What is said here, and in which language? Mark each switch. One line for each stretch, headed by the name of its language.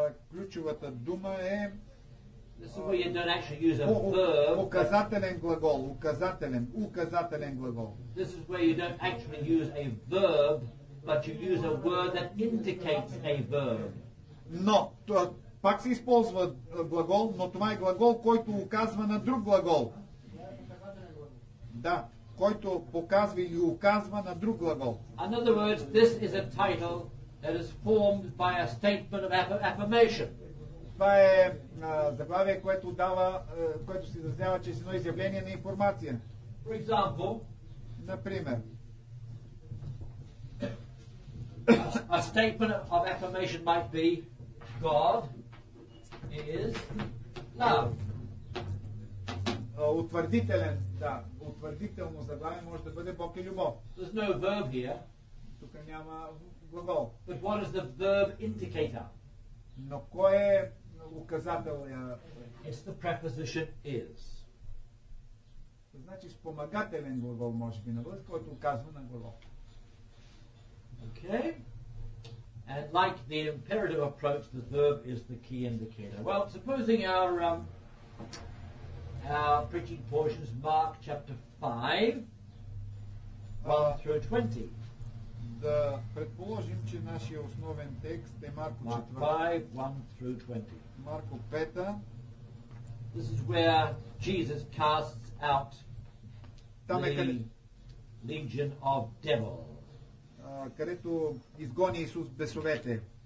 Bulgarian: Ключовата дума е...
English: This is where you don't actually use a verb.
Bulgarian: Указателен глагол. Указателен глагол.
English: This is where you don't actually use a verb, but you use a word that indicates a verb.
Bulgarian: Но, пак се използва глагол, но това е глагол, който указва на друг глагол. Да. Който показва или указва на друг глагол.
English: In other words, this is a title that is formed by a statement of affirmation.
Bulgarian: Това е заглавие, което дава, което се изразява чрез едно изявление на информация.
English: For example,
Bulgarian: например,
English: a statement of affirmation might be God is love.
Bulgarian: Утвърдителен, да. Утвърдително заглавие може да бъде Бог е любов.
English: There's no verb here.
Bulgarian: Тук няма глагол.
English: But what is the verb indicator?
Bulgarian: Но кой е указател?
English: It's the preposition is.
Bulgarian: Значи спомагателен глагол може би на бъде, който указва на глагол.
English: Okay. And like the imperative approach, the verb is the key indicator. Well, supposing our preaching portion is Mark chapter 5, 1 through 20.
Bulgarian: Да предположим, че нашия основен текст е Марко 4.
English: Mark 5, 1 through 20.
Bulgarian: Марко 5.
English: This is where Jesus casts out the legion of devils.
Bulgarian: Където изгони Исус бесовете.